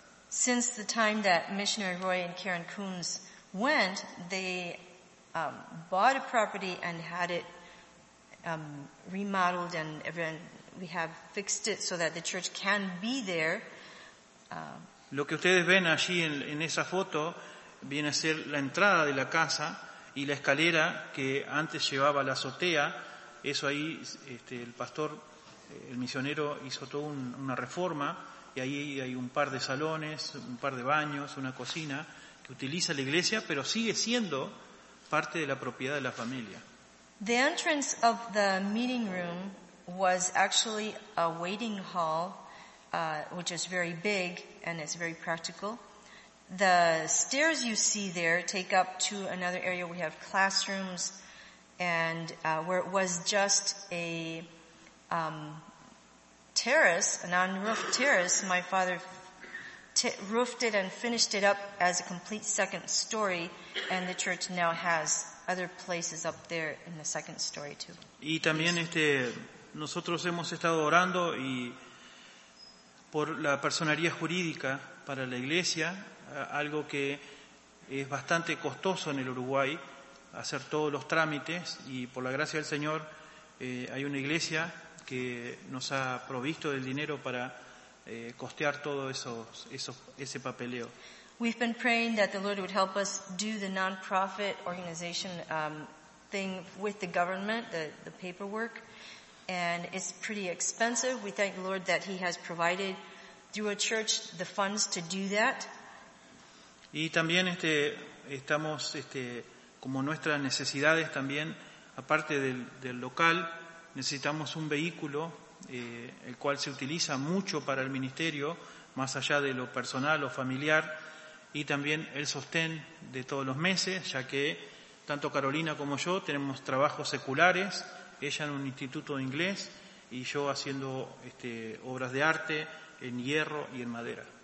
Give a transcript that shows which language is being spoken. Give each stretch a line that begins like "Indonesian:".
English: Since the time that missionary Roy and Karen Kunz went, they bought a property and had it remodeled, and everyone, we have fixed it so that the church can be there.
Spanish: Lo que ustedes ven allí en esa foto viene a ser la entrada de la casa y la escalera que antes llevaba a la azotea. Eso ahí el pastor, el misionero, hizo toda una reforma, y ahí hay un par de salones, un par de baños, una cocina que utiliza la iglesia, pero sigue siendo parte de la propiedad de la familia.
English: The entrance of the meeting room was actually a waiting hall, which is very big and it's very practical. The stairs you see there take up to another area. We have classrooms, and where it was just a terrace, a non-roofed terrace, my father roofed it and finished it up as a complete second story, and the church now has other places up there in the second story too.
Spanish: Y también nosotros hemos estado orando y por la personería jurídica para la iglesia, algo que es bastante costoso en el Uruguay, hacer todos los trámites, y por la gracia del Señor hay una iglesia que nos ha provisto del dinero para costear todo ese papeleo.
English: We've been praying that the Lord would help us do the non-profit organization thing with the government, the paperwork, and it's pretty expensive. We thank the Lord that He has provided through a church the funds to do that.
Spanish: Y también estamos como nuestras necesidades también, aparte del local, necesitamos un vehículo el cual se utiliza mucho para el ministerio, más allá de lo personal o familiar, y también el sostén de todos los meses, ya que tanto Carolina como yo tenemos trabajos seculares, ella en un instituto de inglés y yo haciendo obras de arte en hierro y en madera.